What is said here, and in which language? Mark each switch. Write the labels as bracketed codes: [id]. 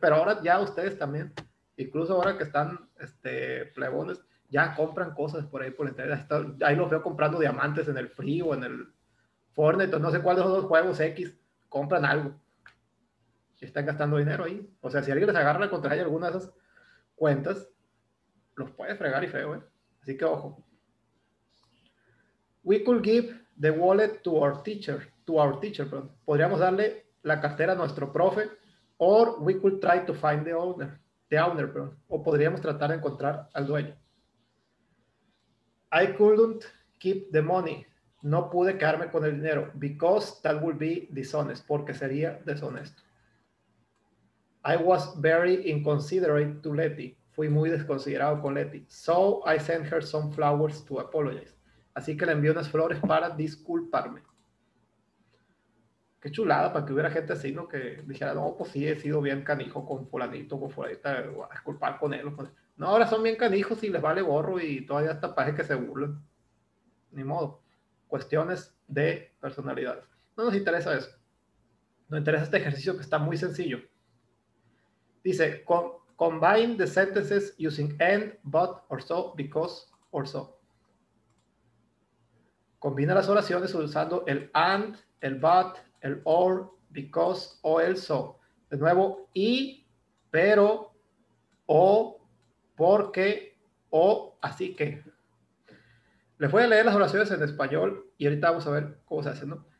[es] Pero ahora ya ustedes también, incluso ahora que están plebones, ya compran cosas por ahí por internet. Ahí los veo comprando diamantes en el Free o en el Fortnite, no sé cuál de los dos juegos X, compran algo. Y están gastando dinero ahí. O sea, si alguien les agarra la contraseña de alguna de esas cuentas, los puede fregar y feo, ¿eh? Así que ojo. [en] We could give the wallet to our teacher. to our teacher, [es] pero podríamos darle la cartera a nuestro profe, [en] or we could try to find the owner, [es] pero o podríamos tratar de encontrar al dueño. [en] I couldn't keep the money. [es] No pude quedarme con el dinero, [en] because that would be dishonest, [es] porque sería deshonesto. [en] I was very inconsiderate to Letty. [es] Fui muy desconsiderado con Letty. [en] So I sent her some flowers to apologize. [es] Así que le envié unas flores para disculparme. Qué chulada, para que hubiera gente así, ¿no? Que dijera, no, pues sí, he sido bien canijo con fulanita, voy a disculpar con él. No, ahora son bien canijos y les vale gorro y todavía hasta parece que se burlan. Ni modo. Cuestiones de personalidades. No nos interesa eso. Nos interesa este ejercicio que está muy sencillo. Dice, [en] combine the sentences using and, but, or so, because, or so. [es] Combina las oraciones usando el and, el but, el or, because, o el so. De nuevo, y, pero, o, porque, o, así que. Les voy a leer las oraciones en español y ahorita vamos a ver cómo se hacen, ¿no?